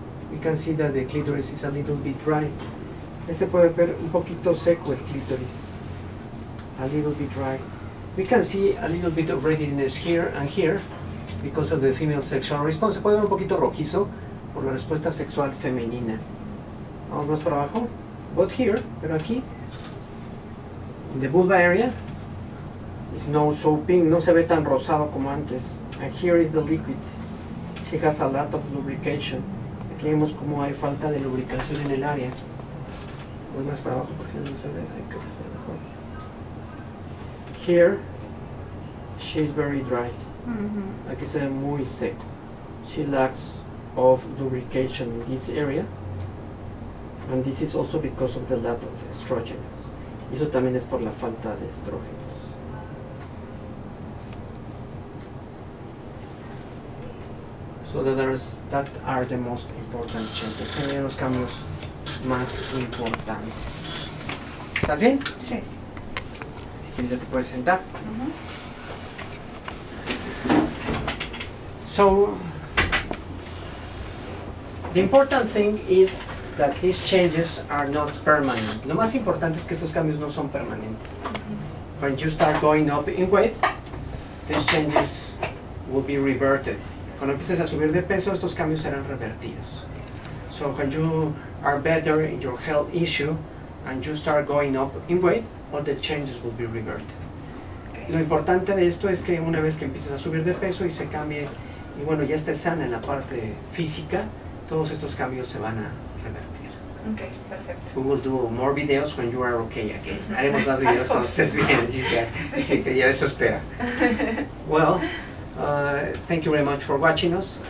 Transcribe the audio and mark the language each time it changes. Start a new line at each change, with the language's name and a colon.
English: We can see that the clitoris is a little bit dry.
Spanish: Se puede ver un poquito seco el clitoris.
English: A little bit dry. We can see a little bit of redness here and here because of the female sexual response.
Spanish: Se puede ver un poquito rojizo por la respuesta sexual femenina. Vamos más para abajo.
English: But here,
Spanish: pero aquí,
English: in the vulva area, it's not so pink,
Spanish: no se ve tan rosado como antes.
English: And here is the liquid. She has a lot of lubrication.
Spanish: Aquí vemos como hay falta de lubricación en el área. Voy más para abajo porque no se ve.
English: Here, she's very dry. Mm-hmm.
Spanish: Aquí se ve muy seco.
English: She lacks of lubrication in this area. And this is also because of the lack of estrogens.
Spanish: Eso también es por la falta de estrógeno.
English: So that are the most important changes.
Spanish: Serían los cambios más importantes. ¿Estás bien? Sí. Si quieres ya te puedes sentar. Uh-huh.
English: So the important thing is that these changes are not permanent.
Spanish: Lo más importante es que estos cambios no son permanentes. Uh-huh.
English: When you start going up in weight, these changes will be reverted.
Spanish: Cuando empieces a subir de peso, estos cambios serán revertidos.
English: So when you are better in your health issue and you start going up in weight, all the changes will be reverted. Okay.
Spanish: Lo importante de esto es que una vez que empieces a subir de peso y se cambie, y bueno, ya estés sana en la parte física, todos estos cambios se van a revertir. Okay, perfecto.
English: We will do more videos when you are okay again.
Spanish: Haremos más videos cuando estés bien, Gisela. Sí, ya eso espera.
English: Well, thank you very much for watching us.